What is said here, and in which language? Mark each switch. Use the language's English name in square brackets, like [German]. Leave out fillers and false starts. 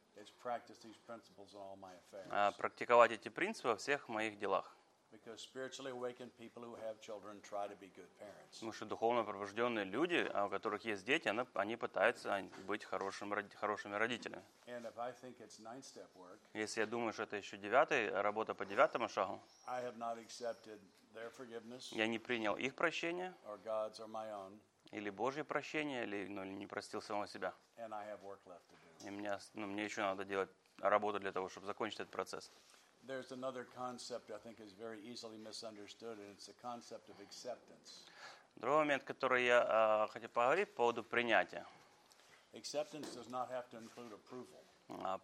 [English] It's practice these principles in all my affairs. [Russian] Практиковать эти принципы во всех моих делах. [English] Because spiritually awakened people who have children try to be good parents. [Russian] Потому что духовно пробужденные люди, у которых есть дети, они пытаются быть хорошими родителями. [English] And if I think it's ninth step work, [Russian] если я думаю, что это еще девятый, работа по девятому шагу, [English] I have not accepted their forgiveness. [Russian] Я не принял их прощение. [English] Or God's or my own. [Russian] Или Божье прощение, или не простил самого себя. [English] And I have work left to do. [Russian] И мне еще надо делать работу для того, чтобы закончить этот процесс. [English] There's another concept, I think, is very easily misunderstood, and it's the concept of acceptance. [Russian] Другой момент, который я хотел поговорить, по поводу принятия. [English] Acceptance does not have to include approval.